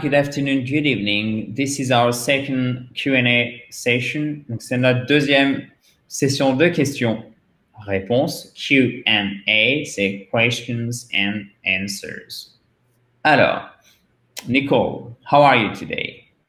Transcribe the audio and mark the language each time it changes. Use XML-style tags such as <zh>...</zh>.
<en>Good afternoon, good evening. This is our second Q&A session.</en> <fr>Donc, c'est notre deuxième session de questions-réponses.</fr> <en>Q&A, c'est questions and answers.</en> <fr>Alors, Nicole,</fr> <en>how are you today?</en>